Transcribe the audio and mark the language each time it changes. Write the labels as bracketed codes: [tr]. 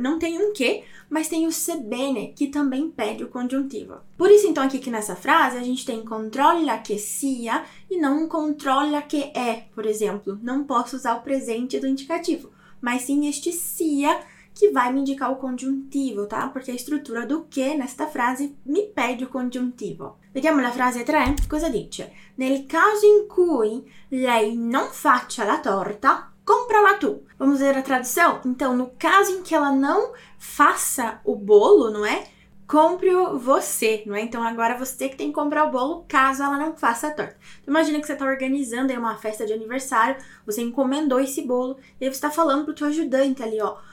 [pt] Não tem um que, mas tem o se bene, que também pede o conjuntivo. Por isso, então, aqui que nessa frase, a gente tem [it] controlla che sia [pt] e não [it] controlla che è, [pt] por exemplo. Não posso usar o presente do indicativo, mas sim este sia, que vai me indicar o conjuntivo, tá? Porque a estrutura do que nesta frase me pede o conjuntivo. [it] Vediamo la frase 3, cosa dice? Nel caso in cui lei non faccia la torta, comprala tu. [pt] Vamos ver a tradução? Então, no caso em que ela não faça o bolo, não é? Compre-o você, não é? Então, agora você que tem que comprar o bolo caso ela não faça a torta. Então, imagina que você está organizando aí uma festa de aniversário, você encomendou esse bolo, e aí você está falando pro teu ajudante ali, ó.